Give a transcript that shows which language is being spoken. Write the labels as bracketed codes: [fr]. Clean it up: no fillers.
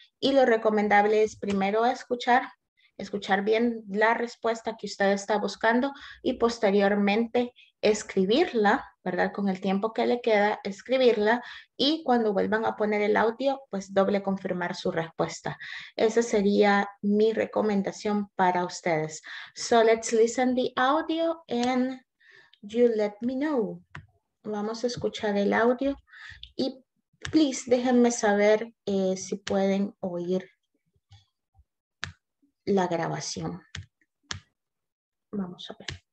[es] Y lo recomendable es primero escuchar bien la respuesta que usted está buscando y posteriormente escribirla, ¿verdad? Con el tiempo que le queda, escribirla y cuando vuelvan a poner el audio, pues doble confirmar su respuesta. Esa sería mi recomendación para ustedes. [en] So let's listen the audio and you let me know. [es] Vamos a escuchar el audio y please déjenme saber si pueden oír la grabación. Vamos a ver.